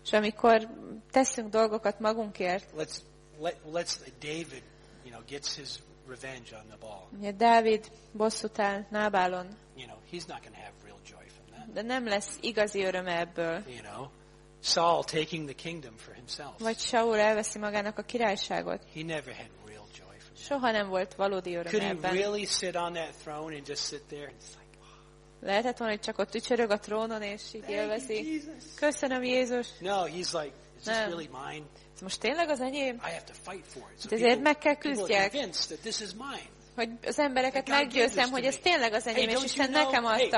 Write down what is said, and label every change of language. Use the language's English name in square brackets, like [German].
[Hungarian] És amikor teszünk dolgokat magunkért. [English] Let's David, you know, gets his revenge on Nabal. [Hungarian] Ja, Dávid bosszút áll Nábálon. [English] You know, he's not going to have real joy from that. [Hungarian] De nem lesz igazi öröm ebből. [English] You know, Saul taking the kingdom for himself. [Hungarian] Vagy Saul elveszi magának a királyságot. [English] He never had real joy from that. [Hungarian] Soha nem volt valódi öröm [English] Could [Hungarian] ebben. [English] Could he really sit on that throne and just sit there? It's like, oh. [Hungarian] Lehetett volna, hogy csak ott ücsörög a trónon és így élvezi. [English] Thank you, Jesus. [Hungarian] Köszönöm, Jézus. [English] No, he's like, is this really mine? [Hungarian] Ez most tényleg az enyém? [English] I have to fight for it. [Hungarian] So ezért meg kell küzdjek. Hogy az embereket meggyőzzem, hogy ez tényleg az enyém, [English] hey, [Hungarian] és Isten nekem adta.